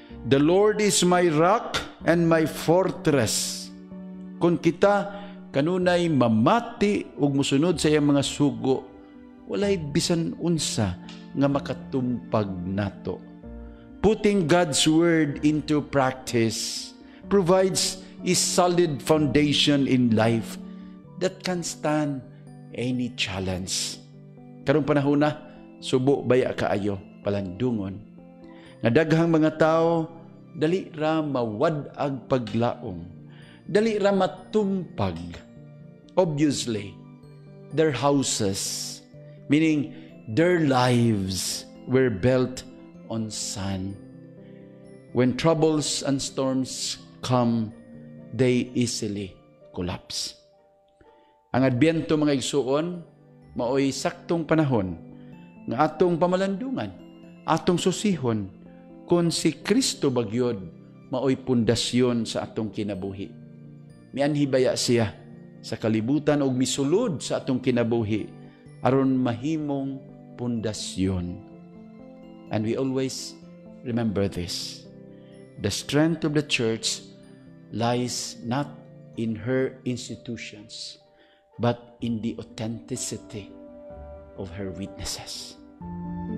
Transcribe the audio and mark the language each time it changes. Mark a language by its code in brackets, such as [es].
[en] The Lord is my rock and my fortress. [ceb] Kung kita kanunay mamati ug musunod sa iyang mga sugo, walay bisan unsa nga makatumpag nato. [en] Putting God's word into practice provides a solid foundation in life that can stand any challenge. [ceb] Karong panahon na, subo baya kaayo palandungon. Nga daghang mga tao, dali ra mawadag paglaong, dali ra matumpag. [en] Obviously, their houses, meaning their lives, were built on sand. When troubles and storms come, they easily collapse. [ceb] Ang Adbyento mga igsoon, maoy saktong panahon ng atong pamalandungan, atong susihon, kung si Kristo bagyod, maoy pundasyon sa atong kinabuhi. Mianhi baya siya sa kalibutan o misulod sa atong kinabuhi, aron mahimong pundasyon. [en] And we always remember this. The strength of the church lies not in her institutions, but in the authenticity of her witnesses.